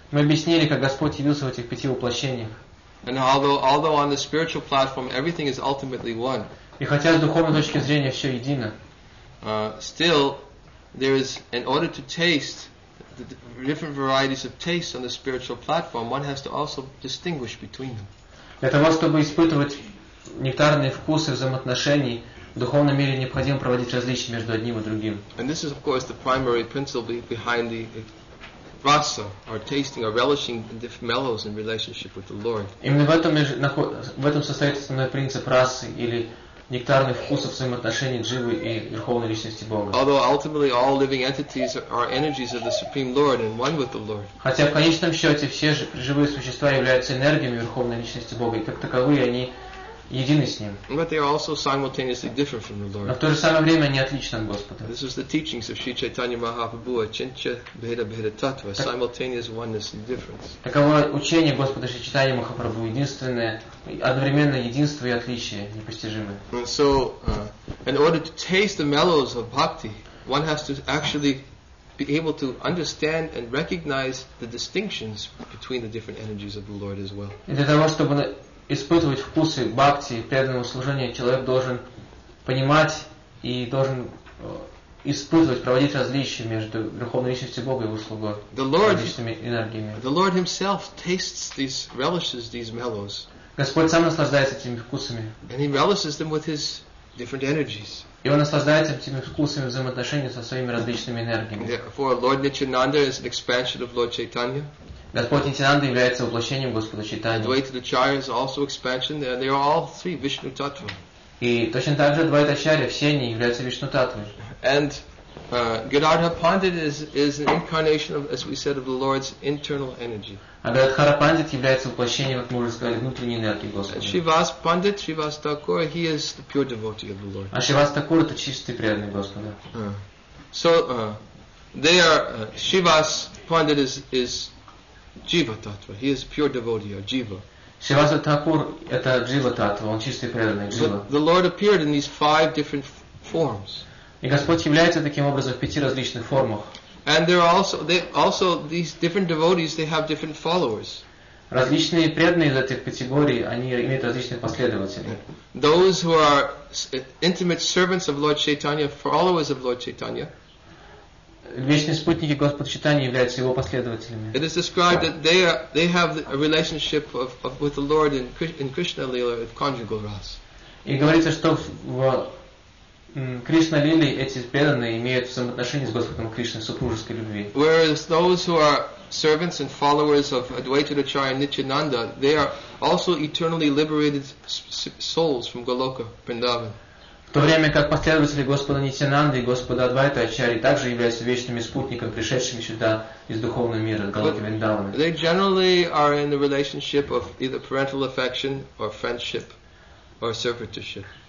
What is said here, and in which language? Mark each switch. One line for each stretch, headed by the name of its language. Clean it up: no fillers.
Russian: Мы объяснили, как Господь явился в этих пяти воплощениях.
English: And although on the spiritual platform everything is ultimately one.
Russian: И хотя с духовной точки зрения все едино.
English: Still, there is, in order to taste the different varieties of tastes on the spiritual platform, one has to also distinguish between them.
Russian: Для того, чтобы испытывать нектарные вкусы взаимоотношений в духовном мире необходимо проводить различия между одним и другим.
English: And this is, of course, the primary principle behind the rasa, or tasting, or relishing the different mellows in relationship with the Lord.
Russian: Именно в этом состоит основной принцип расы или нектарных вкусов взаимоотношений дживы и верховной личности Бога.
English: Although ultimately all living entities are energies of the Supreme Lord and one with the Lord.
Russian: Хотя в конечном счете все живые существа являются энергиями верховной личности Бога, и как таковые они
English: But they are also simultaneously different from the Lord.
Russian: Но в то же самое время они отличны от Господа.
English: This is the teachings of Sri Chaitanya Mahaprabhu, Achintya Bheda Bheda Tattva, simultaneous oneness and difference.
Russian: Таково учение Господа Шри Чайтаньи Махапрабху, единственное, одновременно единство и отличие, непостижимое.
English: So, in order to taste the mellows of bhakti, one has to actually be able to understand and recognize the distinctions between the different energies of the Lord as well.
Russian: И для того, чтобы испытывать вкусы бхакти, преданного служения, человек должен понимать и должен испытывать, проводить различия между Верховной Личностью Бога и Его слугой, различными энергиями.
English: The Lord Himself tastes these, relishes these mellows.
Russian: Господь сам наслаждается этими вкусами.
English: And He relishes them with His different energies.
Russian: И Он наслаждается этими вкусами взаимоотношений со своими различными энергиями.
English: Therefore, Lord Nityananda is an expansion of Lord Chaitanya.
Russian: Господь Нитянанда является воплощением Господа Чайтанья.
English: Dvaita Acharya is also expansion. They are all three Vishnu Tattva.
Russian: И точно так же Dvaita Acharya, все они являются Вишну Таттвой.
English: And Gadadhara Pandit is an incarnation of, as we said, of the Lord's internal energy.
Russian: А Гададхара Пандит является воплощением, как мы уже сказали, внутренней энергии Господа.
English: And Shrivas Pandit, Shrivas Thakur, he is the pure devotee of the Lord.
Russian: А Shrivas Thakur — это чистый преданный Господа.
English: So they are Shrivas Pandit is Jiva Tattva. He is pure devotee or Jiva.
Russian: Shrivas Thakur — это Jiva Tattva. Он чистый преданный Jiva.
English: But the Lord appeared in these five different forms.
Russian: И Господь является таким образом в пяти различных формах.
English: And there are also they also these different devotees, they have different followers.
Russian: Различные преданные из этих категорий, они имеют различных последователей.
English: Those who are intimate servants of Lord Chaitanya, followers of Lord Chaitanya.
Russian: Вечные спутники Господа Чайтаньи являются его последователями.
English: It is described that they have a relationship of with the Lord in Krishna Lila, in conjugal ras.
Russian: И говорится, что в Кришна Лили эти преданные имеют взаимоотношения с Господом Кришной, супружеской любви.
English: Whereas those who are servants and followers of Advaita Acharya and Nityananda, they are also eternally liberated souls from Goloka, Vrindavan.
Russian: В то время как последователи Господа Нитянанды и Господа Адвайта Ачари также являются вечными спутниками, пришедшими сюда из духовного мира, Голоки Вриндаваны.
English: They generally are in the relationship of either parental affection or friendship or servitorship.